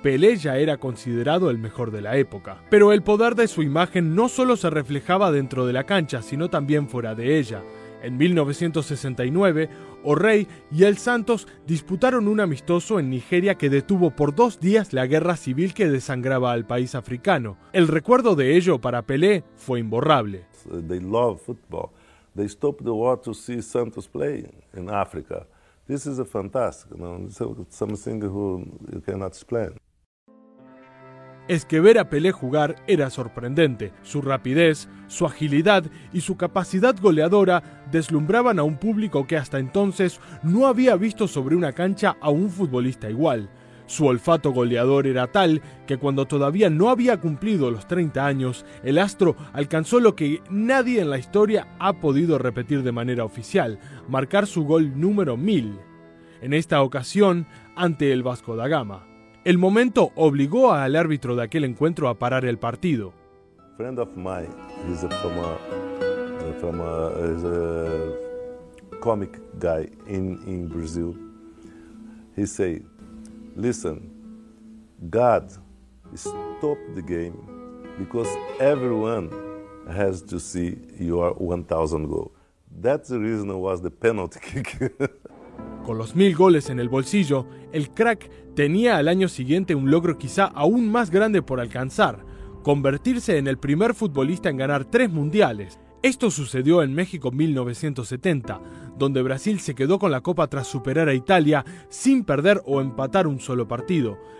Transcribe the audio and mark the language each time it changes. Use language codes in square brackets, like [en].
[es] Pelé ya era considerado el mejor de la época. Pero el poder de su imagen no solo se reflejaba dentro de la cancha, sino también fuera de ella. En 1969, O'Reilly y el Santos disputaron un amistoso en Nigeria que detuvo por 2 días la guerra civil que desangraba al país africano. El recuerdo de ello para Pelé fue imborrable. [en] They love football. They stop the war to see Santos play in Africa. This is a fantastic, something who you cannot explain. [es] Es que ver a Pelé jugar era sorprendente. Su rapidez, su agilidad y su capacidad goleadora deslumbraban a un público que hasta entonces no había visto sobre una cancha a un futbolista igual. Su olfato goleador era tal que cuando todavía no había cumplido los 30 años, el astro alcanzó lo que nadie en la historia ha podido repetir de manera oficial, marcar su gol número 1000, en esta ocasión ante el Vasco da Gama. El momento obligó al árbitro de aquel encuentro a parar el partido. [en] Friend of mine, he's a comic guy in Brazil. He say, listen, God stop the game because everyone has to see your 1,000 goal. That's the reason was the penalty kick. [es] Con los 1,000 goles en el bolsillo, el crack tenía al año siguiente un logro quizá aún más grande por alcanzar, convertirse en el primer futbolista en ganar 3 mundiales. Esto sucedió en México 1970, donde Brasil se quedó con la Copa tras superar a Italia sin perder o empatar un solo partido.